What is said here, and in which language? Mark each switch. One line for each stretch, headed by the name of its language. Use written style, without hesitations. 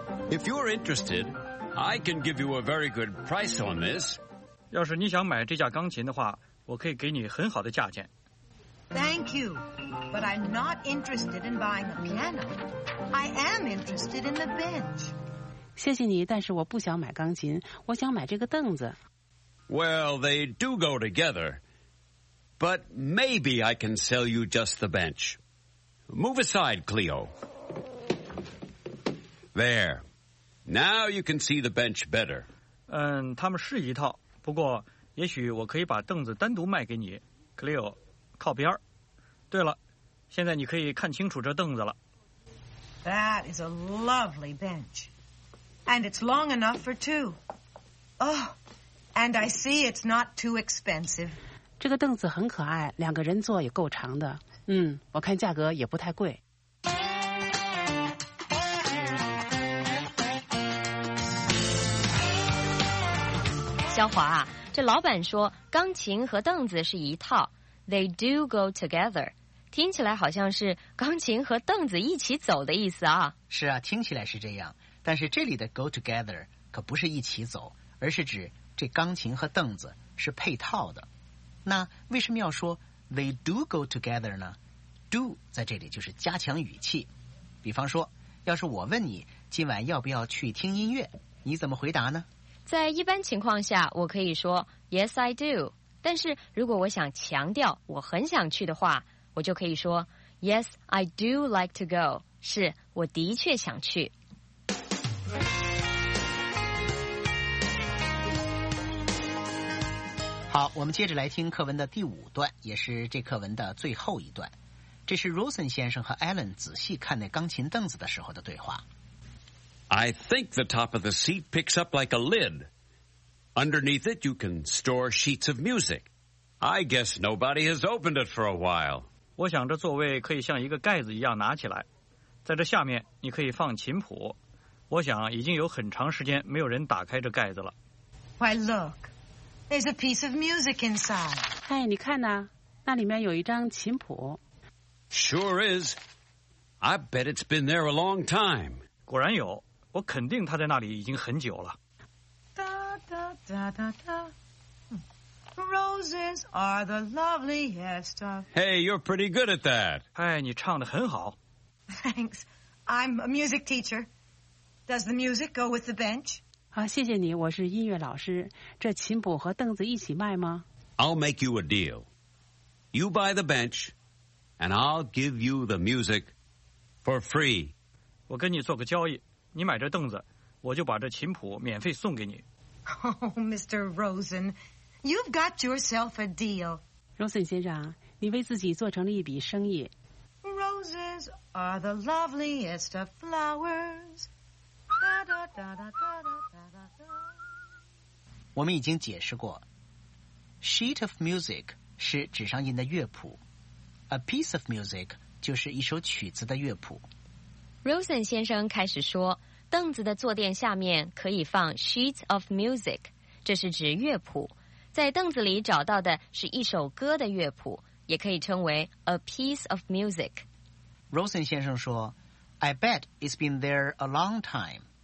English: If you're interested, I can give you a very good price on this.
Chinese: 要是你想买这架钢琴的话，我可以给你很好的价钱。
English: Thank you, but I'm not interested in buying a piano. I am interested in the bench.
Chinese: 谢谢你，但是我不想买钢琴，我想买这个凳子。
English: Well, they do go together. But maybe I can sell you just the bench. Move aside, Cleo. There. Now you can see the bench better.
Chinese: 嗯，他们是一套，不过也许我可以把凳子单独卖给你。 Cleo， 靠边。对了，现在你可以看清楚这凳子了。
English: That is a lovely bench. And it's long enough for two. Oh, and I see it's not too expensive.
Chinese: 这个凳子很可爱，两个人坐也够长的。嗯，我看价格也不太贵。肖华啊，这老板说钢琴和凳子是一套，
English: They do go together，
Chinese: 听起来好像是钢琴和凳子一起走的意思啊。是啊，听起来是这样，但是这里的
English: go together
Chinese: 可不是一起走，而是指这钢琴和凳子是配套的。那为什么要说
English: They do go together
Chinese: 呢？ Do 在这里就是加强语气。比方说，要是我问你今晚要不要去听音乐，你怎么回答呢？在一般情况下我可以说
English: Yes, I do，
Chinese: 但是如果我想强调我很想去的话，我就可以说
English: Yes, I do like to go，
Chinese: 是我的确想去。好，我们接着来听课文的第五段，也是这课文的最后一段。这是 Rosen 先生和 Alan 仔细看那钢琴凳子的时候的对话。
English: I think the top of the seat picks up like a lid. Underneath it, you can store sheets of music. I guess nobody has opened it for a while.
Chinese: 我想这座位可以像一个盖子一样拿起来，在这下面你可以放琴谱。我想已经有很长时间没有人打开这盖子了。
English: Why look? There's a piece of music inside.
Chinese: 哎，你看呐，那里面有一张琴谱。
English: Sure is. I bet it's been there a long time.
Chinese: 果然有，我肯定他在那里已经很久了。
English: 哒哒哒哒哒 ，Roses are the loveliest of. Hey, you're pretty good at that.
Chinese: 哎，你唱得很好。
English: Thanks, I'm a music teacher. Does the music go with the bench?
Chinese: 好，谢谢你，我是音乐老师。这琴谱和凳子一起卖吗
English: ？I'll make you a deal. You buy the bench, and I'll give you the music for free.
Chinese: 我跟你做个交易，你买这凳子，我就把这琴谱免费送给你。
English: Oh, Mr. Rosen, you've got yourself a deal.
Chinese: Rosen 先生，你为自己做成了一笔生意。
English: Roses are the loveliest of flowers. Da, da, da, da, da, da, da, da.
Chinese: 我们已经解释过 ，
English: sheet of music
Chinese: 是纸上印的乐谱 ，
English: a piece of music
Chinese: 就是一首曲子的乐谱。 Rosen 先生开始说，凳子的坐垫下面可以放
English: sheets of music，
Chinese: 这是指乐谱。在凳子里找到的是一首歌的乐谱，也可以称为
English: a piece of music。 Rosen
Chinese: 先生说
English: ，I bet it's been there a long time.